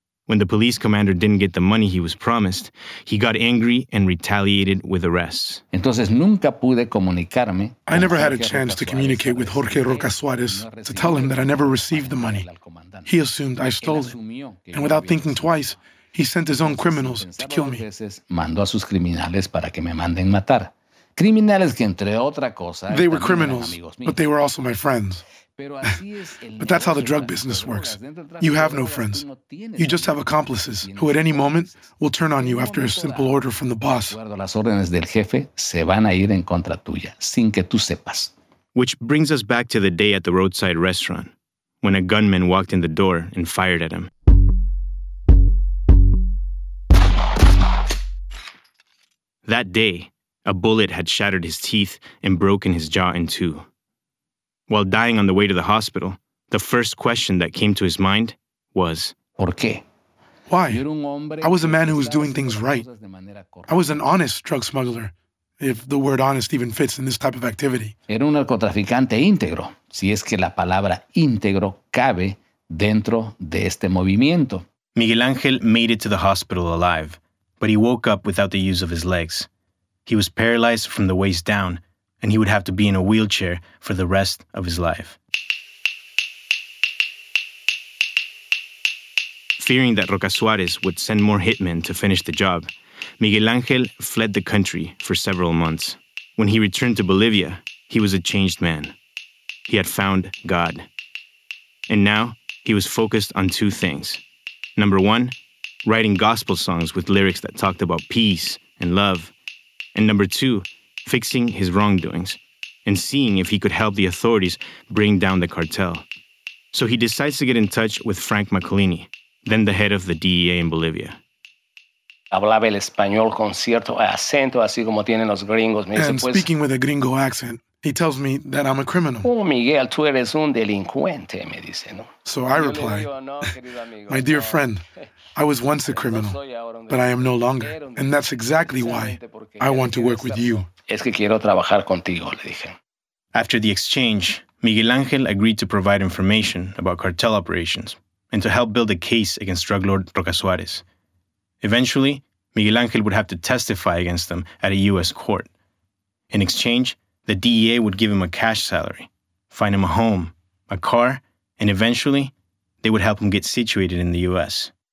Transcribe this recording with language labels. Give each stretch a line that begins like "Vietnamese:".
English: When the police commander didn't get the money he was promised, he got angry and retaliated with arrests.
Spanish: Entonces, nunca pude comunicarme.
English: I never had a chance to communicate with Jorge Roca Suárez to tell him that I never received the money. He assumed I stole it. And without thinking twice, he sent his own criminals to kill me.
Spanish: Mandó a sus criminales para que me manden matar. Criminales que, entre otra cosa,
English: they were criminals, but they were also my friends. But that's how the drug business works. You have no friends. You just have accomplices who at any moment will turn on you after a simple order from the boss.
Spanish: Las órdenes del jefe se van a ir en contra tuya, sin que tú sepas.
English: Which brings us back to the day at the roadside restaurant, when a gunman walked in the door and fired at him. That day, a bullet had shattered his teeth and broken his jaw in two. While dying on the way to the hospital, the first question that came to his mind was,
Spanish: ¿por qué?
English: Why? I was a man who was doing things right. I was an honest drug smuggler, if the word honest even fits in this type of activity.
Spanish: Era un narcotraficante íntegro, si es que la palabra íntegro cabe dentro de este movimiento.
English: Miguel Ángel made it to the hospital alive, but he woke up without the use of his legs. He was paralyzed from the waist down, and he would have to be in a wheelchair for the rest of his life. Fearing that Roca Suarez would send more hitmen to finish the job, Miguel Ángel fled the country for several months. When he returned to Bolivia, he was a changed man. He had found God. And now, he was focused on two things. Number one, writing gospel songs with lyrics that talked about peace and love. And number two, fixing his wrongdoings and seeing if he could help the authorities bring down the cartel. So he decides to get in touch with Frank Macalini, then the head of the DEA in Bolivia.
Spanish: Hablaba el español con cierto acento, así como tienen los gringos. Me dice, pues,
English: speaking with a gringo accent, he tells me that I'm a criminal.
Spanish: Oh, Miguel, tú eres un delincuente, me dice, ¿no?
English: So I reply, my dear friend, I was once a criminal, but I am no longer. And that's exactly why I want to work with you.
Spanish: Es que quiero trabajar contigo, le dije.
English: After the exchange, Miguel Ángel agreed to provide information about cartel operations and to help build a case against drug lord Roca Suarez. Eventually, Miguel Ángel would have to testify against them at a U.S. court. In exchange, the DEA would give him a cash salary, find him a home, a car, and eventually, they would help him get situated in the U.S.